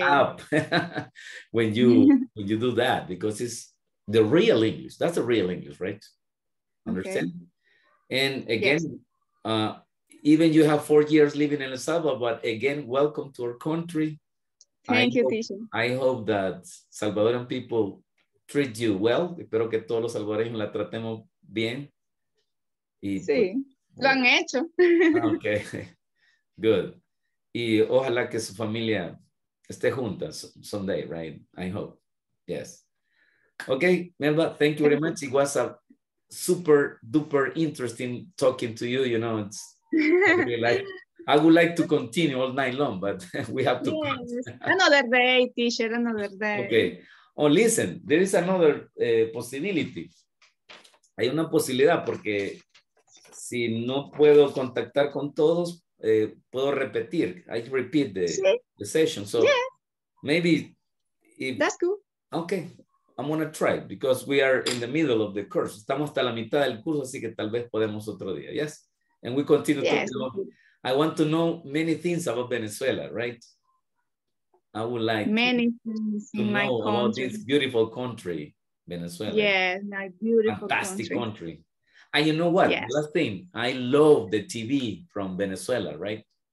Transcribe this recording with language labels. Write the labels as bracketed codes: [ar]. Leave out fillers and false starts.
[en] Go up when you do that because it's the real English. That's the real English, right? Understand? Okay. And again, yes. Even you have 4 years living in El Salvador, but again, welcome to our country. Thank you, Tisha. I hope that Salvadoran people treat you well. [es] Espero que todos los salvadoreños la tratemos bien. Y sí. Pues, lo han hecho. [en] Okay, good. [es] Y ojalá que su familia esté junta [en] someday, right? I hope, yes. Okay, Melba, thank you very much. It was a super duper interesting talking to you. You know, it's really like, I would like to continue all night long, but we have to. Yes. Another day, teacher, another day. Okay, oh, listen, there is another possibility. [es] Hay una posibilidad porque si no puedo contactar con todos, puedo repetir. [en] I repeat the session. So yeah. Maybe. That's cool. Okay. I'm going to try because we are in the middle of the course. [es] Estamos hasta la mitad del curso, así que tal vez podemos otro día. [en] Yes. And we continue yes. talking about, I want to know many things about Venezuela, right? I would like many things to in my country. About this beautiful country, Venezuela. Yeah, my beautiful fantastic country. Country. And you know what? Yes. Last thing, I love the TV from Venezuela, right?